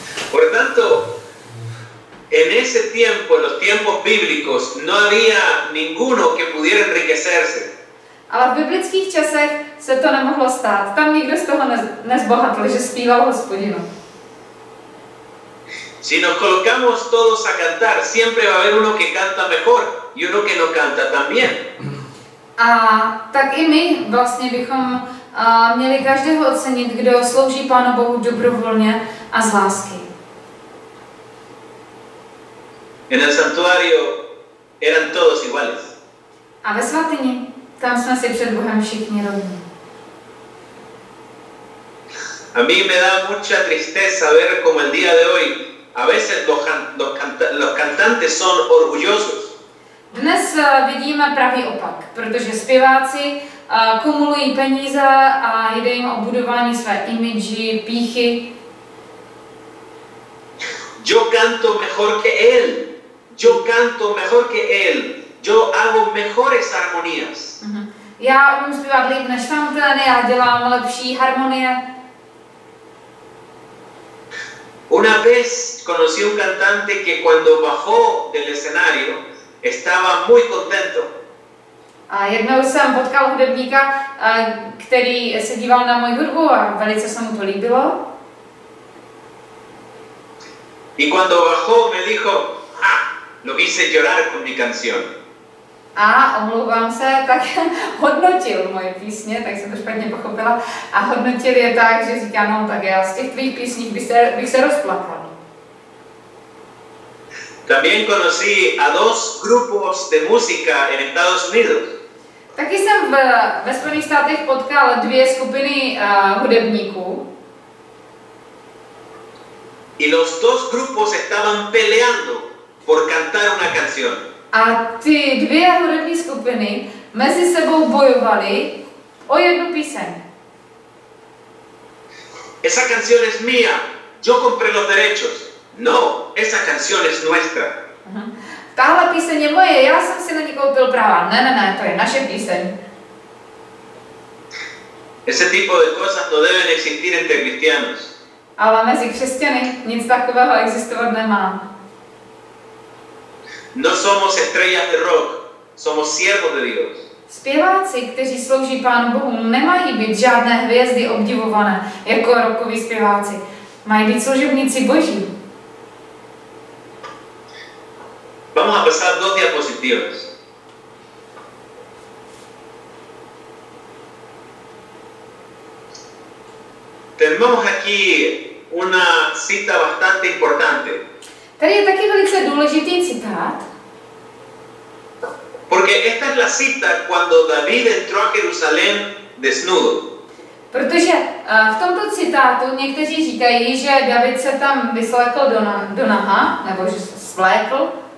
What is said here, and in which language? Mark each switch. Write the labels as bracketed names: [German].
[Spanish] Por tanto, en ese tiempo, en los tiempos bíblicos, no había ninguno que pudiera enriquecerse. [Czech] Ale v biblických časech se to nemohlo stát. Tam nikdo z toho nezbohatl, že zpíval Hospodinu. [Spanish] Si nos colocamos todos a cantar, siempre va a haber uno que canta mejor y uno que no canta tan bien. [Czech] A tak i my vlastně bychom měli každého ocenit, kdo slouží Pánu Bohu dobrovolně a z lásky. [Spanish] En el santuario eran todos iguales. [Czech] A ve svatyni, tam jsme si před Bohem všichni rovni. [Spanish] A mí me da mucha tristeza ver como el día de hoy a veces los cantantes son orgullosos. [Czech] Dnes vidíme pravý opak, protože zpěváci kumulují peníze a jde jim o budování své imidži, píchy. [Spanish] Yo canto mejor que él. Yo canto mejor que él. Yo hago mejores armonías. [Czech] Já umím zpívat líp než tamten, já dělám lepší harmonie. [Spanish] Una vez conocí un cantante que cuando bajó del escenario estaba muy contento. [Czech] A jednou jsem potkal hudebníka, který se díval na moji hudbu a velice se mu to líbilo. [Spanish] Y cuando bajó me dijo, ¡ah! Lo hice llorar con mi canción. [Czech] A omlouvám se, tak hodnotil moje písně, tak jsem to špatně pochopila. A hodnotil je tak, že říká, no tak já z těch tvých písní bych se rozplakal. [Spanish] También conocí a dos grupos de música en Estados Unidos. [Czech] Taky jsem ve Spojených státech potkal dvě skupiny hudebníků. [Spanish] Y los dos grupos estaban peleando por cantar una canción. [Czech] A ty dvě hudební skupiny mezi sebou bojovaly o jednu píseň. [Spanish] Esa canción es mía. Yo compré los derechos. No, esa canción es nuestra. [Czech] Tahle píseň je moje. Já jsem si na ní koupil práva. Ne, to je naše píseň. [Spanish] Ese tipo de cosas no deben existir entre cristianos. [Czech] Ale mezi křesťany nic takového existovat nemá. [Spanish] No somos estrellas de rock, somos siervos de Dios. [Czech] Zpěváci, kteří slouží Pánu Bohu, nemají být žádné hvězdy obdivované jako rockoví zpěváci. Mají být služebníci Boží. [Spanish] Vamos a pasar dos diapositivas. Tenemos aquí una cita bastante importante. [Czech] Tady je taky velice důležitý citát. [Spanish] Porque esta es la cita cuando David entró a Jerusalén desnudo. [Czech] Protože v tomto citátu někteří říkají, že David se tam vyslekl do naha, nebo že se svlékl.